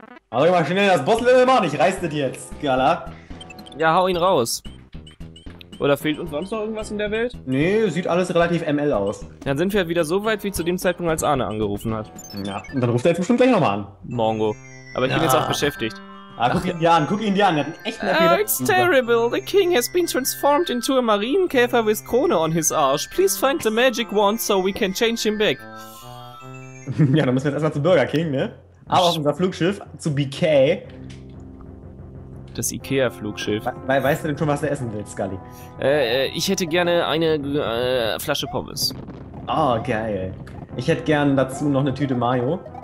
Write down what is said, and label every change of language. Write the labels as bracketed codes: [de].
[de] Also mal schnell das Boss-Level machen, ich reiß das jetzt, Gala. Ja, hau ihn raus. Oder fehlt uns sonst noch irgendwas in der Welt? Nee, sieht alles relativ ML aus. Dann sind wir wieder so weit, wie zu dem Zeitpunkt, als Arne angerufen hat. Ja, und dann ruft er jetzt bestimmt gleich nochmal an. Mongo. Aber ich bin jetzt auch beschäftigt. Ah, guck ihn dir an, der hat einen echten Appetit. [en] Oh, it's terrible. The king has been transformed into a Marienkäfer with Krone on his arsch. Please find the magic wand so we can change him back. [de] Ja, dann müssen wir jetzt erstmal zu Burger King, ne? Aber auf unser Flugschiff, zu BK. Das IKEA-Flugschiff. Weißt du denn schon, was du essen willst, Scully? Ich hätte gerne eine Flasche Pommes. Oh, geil. Ich hätte gern dazu noch eine Tüte Mayo.